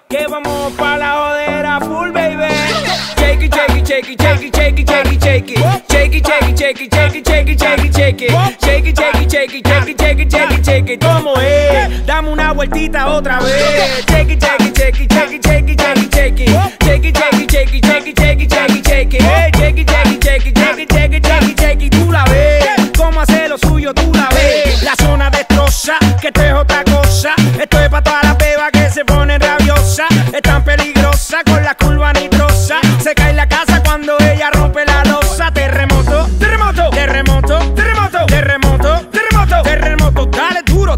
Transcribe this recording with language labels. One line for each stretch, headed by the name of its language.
Spanish: ¿Qué vamos pa' la jodera full, baby?
English: Shake it, shake it, shake it, shake it, shake it, shake it, shake it. Shake it, shake it, shake it, shake it, shake it, shake it, shake it. Shake it, shake it, shake it, shake it, shake it, shake it, shake it.
Spanish: ¿Cómo es? Dame una vueltita otra vez.
English: Shake it, shake it, shake it, shake it, shake it, shake it, shake it. Shake it, shake it, shake it, shake it, shake it, shake it, shake it. Shake it, shake it, shake it, shake it, shake it, shake it, shake it.
Spanish: Tú la ves. ¿Cómo hace lo suyo? Tú la ves. La zona destroza, que esto es otra cosa. Esto es pa' toda la beba que se pone rabiosa. Es tan peligrosa con la curva nitrosa. Se cae la casa cuando ella rompe la losa. Terremoto, terremoto, terremoto, terremoto, terremoto, terremoto, terremoto, dale duro.